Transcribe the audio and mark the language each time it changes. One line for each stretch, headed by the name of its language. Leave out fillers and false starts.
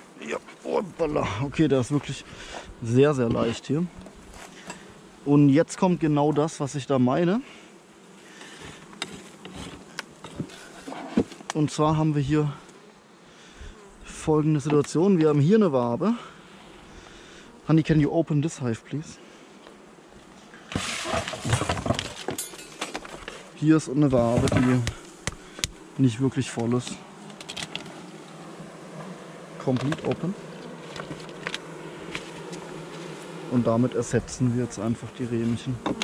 German: Ja, hoppala. Okay, der ist wirklich sehr, sehr leicht hier. Und jetzt kommt genau das, was ich da meine. Und zwar haben wir hier folgende Situation. Wir haben hier eine Wabe.
English: Honey, can you open this hive, please?
German: Hier ist eine Wabe, die nicht wirklich voll ist.
English: Complete open.
German: Und damit ersetzen wir jetzt einfach die Rähmchen.